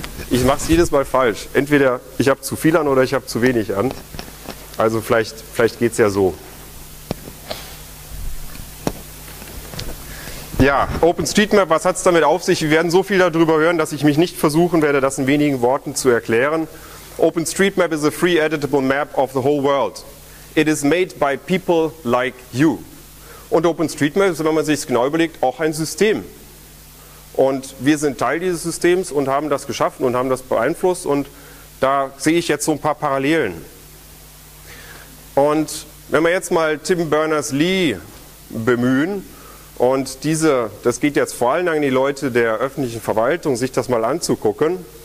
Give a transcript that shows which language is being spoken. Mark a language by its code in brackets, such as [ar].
[de] Ich mache es jedes Mal falsch. Entweder ich habe zu viel an oder ich habe zu wenig an. Also vielleicht geht es ja so. Ja, OpenStreetMap, was hat es damit auf sich? Wir werden so viel darüber hören, dass ich mich nicht versuchen werde, das in wenigen Worten zu erklären. [en] OpenStreetMap is a free editable map of the whole world. It is made by people like you. [de] Und OpenStreetMap ist, wenn man sich es genau überlegt, auch ein System. Und wir sind Teil dieses Systems und haben das geschaffen und haben das beeinflusst. Und da sehe ich jetzt so ein paar Parallelen. Und wenn wir jetzt mal Tim Berners-Lee bemühen und das geht jetzt vor allem an die Leute der öffentlichen Verwaltung, sich das mal anzugucken.